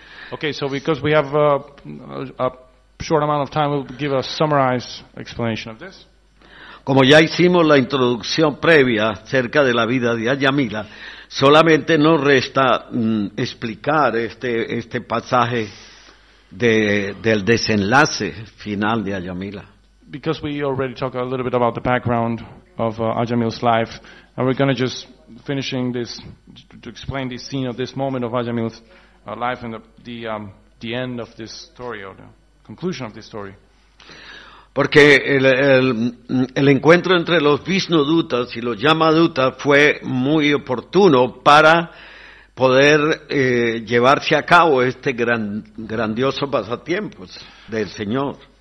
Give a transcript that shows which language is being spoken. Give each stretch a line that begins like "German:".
English: Okay, so because we have a short amount of time, we'll give a summarized explanation of this.
Spanish: Como ya hicimos la introducción previa acerca de la vida de Ajamila, solamente nos resta explicar este pasaje del desenlace final de Ajamila.
English: Because we already talked a little bit about the background of Ajamil's life, and we're going to just finishing this to explain this scene of this moment of Ajamil's life and the end of this story or the conclusion of this story.
Spanish: Porque el encuentro entre los Vishnudutas y los Yamadutas fue muy oportuno para poder llevarse a cabo este grandioso pasatiempos del Señor.